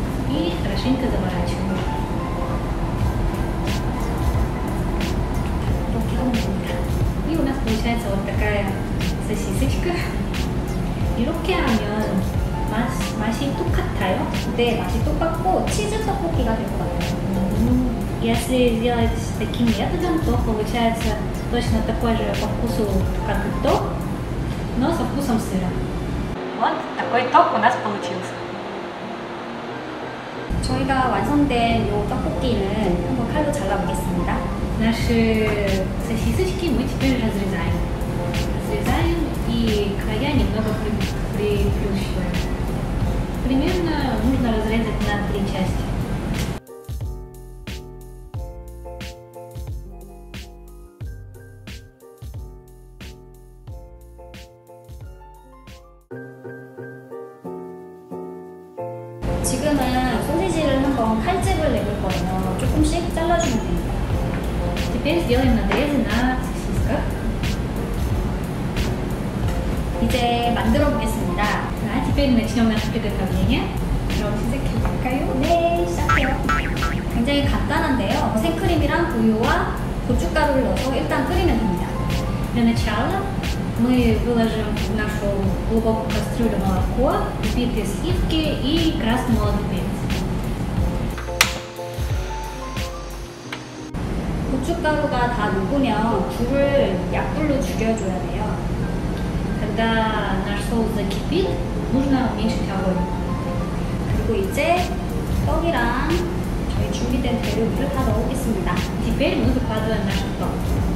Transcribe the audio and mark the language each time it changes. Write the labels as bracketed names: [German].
[Russian] И хорошенько заворачиваем. [Korean] 이렇게 하면 됩니다. [Russian] И у нас получается вот такая сосисочка. [Korean] 이렇게 하면 맛이 똑같아요? 네, 맛이 똑같고 치즈 떡볶이가 될 것 같아요. [Russian] Если сделать таким методом, то получается точно такой же по вкусу, как и ток, но со вкусом сыра. Вот такой ток у нас получился. [Korean] 저희가 완성된 요 떡볶이는 한번 칼로 잘라보겠습니다. [Russian] Наши сосисочки мы теперь разрезаем. Разрезаем и края немного приплющиваем. Примерно нужно разрезать на три части. [Korean] 지금은 소시지를 한번 칼집을 내볼 거예요. 조금씩 잘라주면 됩니다. [Russian] Теперь сделаем надрезы на сосиска. [Korean] 이제 만들어 보겠습니다. [Russian] Теперь начнем наше приготовление. [Korean] 그럼 시작해 볼까요? 네, 시작해요. 굉장히 간단한데요. 생크림이랑 우유와 고춧가루를 넣어서 일단 끓이면 됩니다. [Russian] Для начала мы выложим в нашу глубокую кастрюлю молоко, взбитые сливки и красный молотый перец. [Korean] 고춧가루가 다 녹으면 불을 약불로 줄여줘야 돼요. [Russian] Когда наш соус закипит, нужно уменьшить огонь. [Korean] 그리고 이제 떡이랑 저희 준비된 재료들을 다 넣어보겠습니다. [Russian] Теперь мы выкладываем наш тост.